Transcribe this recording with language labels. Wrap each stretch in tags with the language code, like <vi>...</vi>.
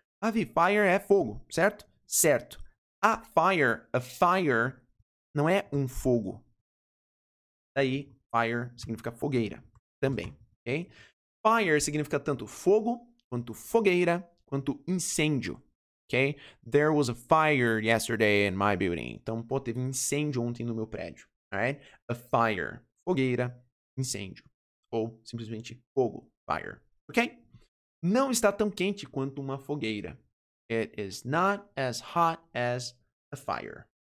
<pt>Ah, vi, fire é fogo, certo? Certo. A fire não é um fogo. Daí, fire significa fogueira também, ok? Fire significa tanto fogo, quanto fogueira, quanto incêndio, ok?</pt> <en>There was a fire yesterday in my building.</en> <pt>Então, pô, teve um incêndio ontem no meu prédio. Alright? A fire. Fogueira. Incêndio. Ou simplesmente fogo. Fire. Ok? Não está tão quente quanto uma fogueira.</pt> <en>It is not as hot as a fire.</en>